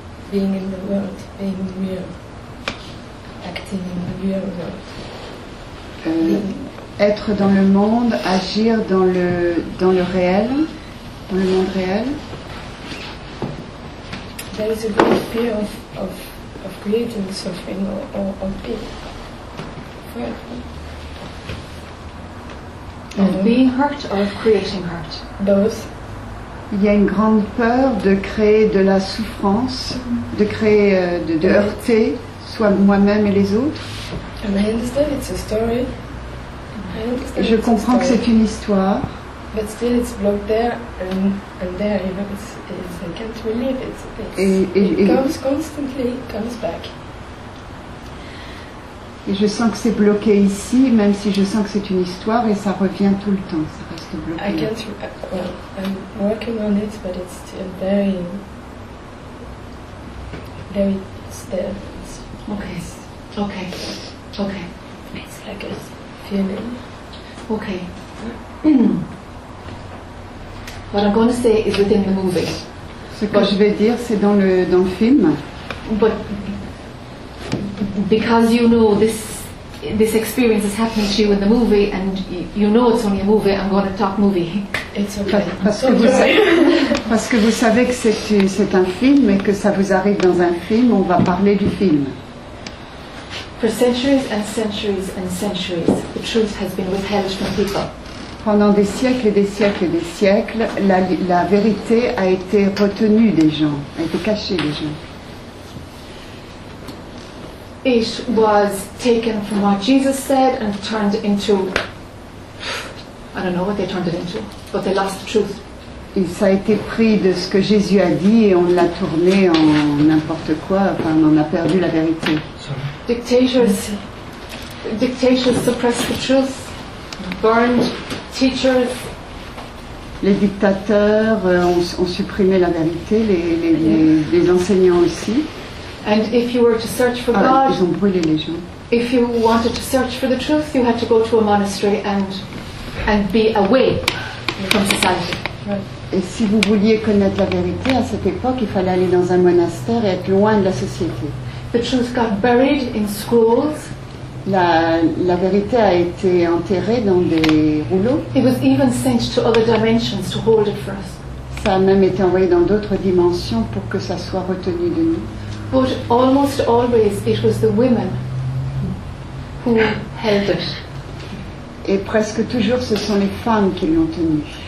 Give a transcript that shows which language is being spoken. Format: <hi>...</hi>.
<en>Being in the world, being real, acting in the real world.</en> <fr>Être dans le monde, agir dans le réel, dans le monde réel.</fr> <en>There is a great fear of creating suffering or being hurt. Of being hurt or of creating hurt. Both.</en> <fr>Il y a une grande peur de créer de la souffrance, de créer de heurter soit moi-même et les autres.</fr> <en>And I understand it's a story.</en> <fr>Je comprends que c'est une histoire.</fr> <en>But still it's blocked there and there, you know, it's I can't relieve it. It comes constantly, comes back.</en> <fr>Et je sens que c'est bloqué ici, même si je sens que c'est une histoire, et ça revient tout le temps, ça reste bloqué.</fr> <en>I can't, well, I'm working on it, but it's still very, very still. Okay. It's like a feeling. Okay. What I'm going to say is within the movie.</en> <fr>Ce que je vais dire, c'est dans le film.</fr> <en>But because you know this experience is happening to you in the movie, and you know it's only a movie, I'm going to talk movie. It's okay.</en> <fr>Parce que vous savez que c'est un film et que ça vous arrive dans un film, on va parler du film.</fr> <en>For centuries and centuries and centuries, the truth has been withheld from people.</en> <fr>Pendant des siècles et des siècles et des siècles, la vérité a été retenue des gens, a été cachée des gens.</fr> <en>It was taken from what Jesus said and turned into, I don't know what they turned it into, but they lost the truth.</en> <fr>Et ça a été pris de ce que Jésus a dit et on l'a tourné en n'importe quoi, enfin on a perdu la vérité.</fr> <en>Dictators suppressed the truth. Burned teachers.</en> <fr>Les dictateurs ont supprimé la vérité, les enseignants aussi.</fr> <en>And if you were to search for God,</en> <fr>ils ont brûlé les gens.</fr> <en>If you wanted to search for the truth, you had to go to a monastery and be away from society. Right.</en> <fr>Et si vous vouliez connaître la vérité à cette époque, il fallait aller dans un monastère et être loin de la société.</fr> <en>The truth got buried in schools.</en> <fr>La vérité a été enterrée dans des rouleaux.</fr> <en>It was even sent to other dimensions to hold it for us.</en> <fr>Ça a même été envoyé dans d'autres dimensions pour que ça soit retenu de nous.</fr> <en>But almost always it was the women who held it.</en> <fr>Et presque toujours ce sont les femmes qui l'ont tenu.</fr>